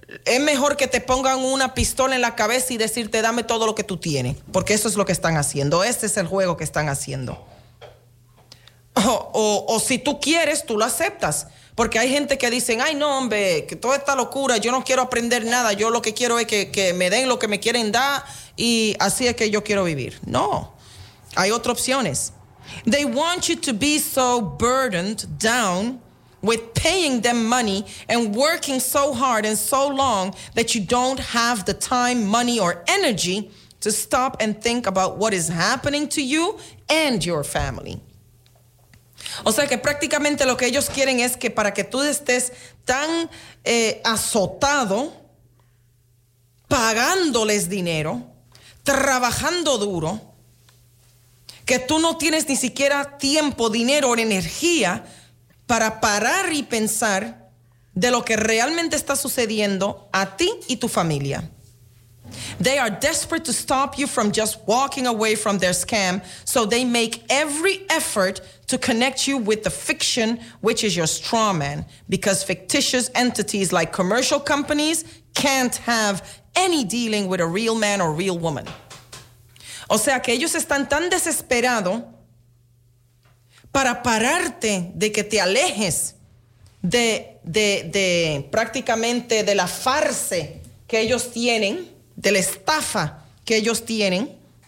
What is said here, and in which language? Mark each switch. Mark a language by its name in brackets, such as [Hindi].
[Spanish] es mejor que te pongan una pistola en la cabeza y decirte dame todo lo que tú tienes, porque eso es lo que están haciendo, ese es el juego que están haciendo. O si tú quieres, tú lo aceptas. Porque hay gente que dicen, ay, no, hombre, que toda esta locura, yo no quiero aprender nada. Yo lo que quiero es que me den lo que me quieren dar y así es que yo quiero vivir. No, hay otras opciones. [English] They want you to be so burdened down with paying them money and working so hard and so long that you don't have the time, money or energy to stop and think about what is happening to you and your family. [Spanish] O sea que prácticamente lo que ellos quieren es que para que tú estés tan azotado, pagándoles dinero, trabajando duro, que tú no tienes ni siquiera tiempo, dinero o energía para parar y pensar de lo que realmente está sucediendo a ti y tu familia. [English] They are desperate to stop you from just walking away from their scam, so they make every effort to connect you with the fiction, which is your straw man, because fictitious entities like commercial companies can't have any dealing with a real man or real woman. [Spanish] O sea que ellos están tan desesperados para pararte de que te alejes de prácticamente de la farsa que ellos tienen, de la estafa que ellos tienen.